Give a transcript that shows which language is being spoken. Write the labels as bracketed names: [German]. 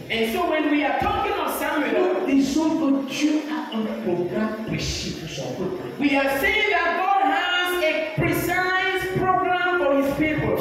[English] and so when we are talking of Samuel, [French] nous disons que Dieu a un programme précis pour son peuple. [English] We are saying that God has a precise program for His people.